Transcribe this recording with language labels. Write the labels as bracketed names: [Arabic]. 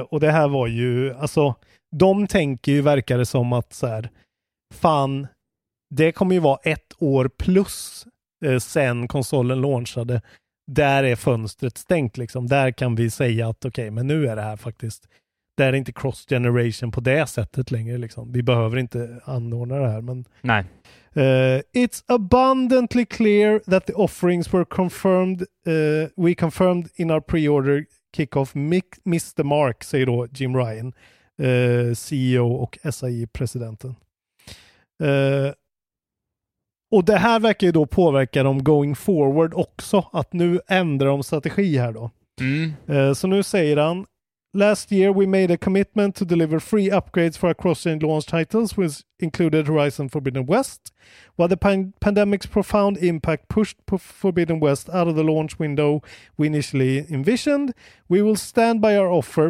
[Swedish] Och det här var ju, alltså, de tänker ju, verkar det som, att så här, fan, det kommer ju vara ett år plus sen konsolen launchade. Där är fönstret stängt liksom. Där kan vi säga att okej, men nu är det här faktiskt, där är det inte cross-generation på det sättet längre liksom. Vi behöver inte anordna det här, men... Nej. [English] It's abundantly clear that the offerings were confirmed, we confirmed in our pre-order kickoff. Mr. [Swedish] Mark, säger då Jim Ryan, CEO och SAE-presidenten. Och det här verkar ju då påverka dem [English] going forward [Swedish] också, att nu ändrar de strategi här då. Så nu säger han: [English] last year we made a commitment to deliver free upgrades for our cross-gen launch titles, which included Horizon Forbidden West. While the pandemic's profound impact pushed Forbidden West out of the launch window we initially envisioned, we will stand by our offer.